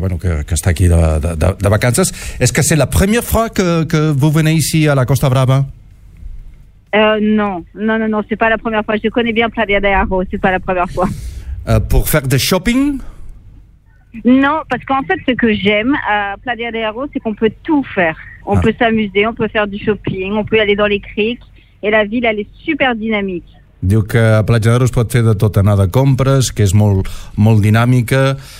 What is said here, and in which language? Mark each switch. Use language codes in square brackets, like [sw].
[ca] Que està aquí de vacances. [fr] Est-ce que c'est la première fois que vous venez ici à la Costa Brava? Non, c'est pas la première fois. Je connais bien Platja d'Aro, c'est pas la première fois. Pour faire des shopping? Non, parce qu'en fait, ce que j'aime à Platja d'Aro, c'est qu'on peut tout faire. On peut s'amuser, on peut faire du shopping, on peut aller dans les criques. Et la ville, elle est super dynamique. [ca] Diu que a Platja d'Aro es pot fer de tot, anar de compres, que és molt, molt dinàmica.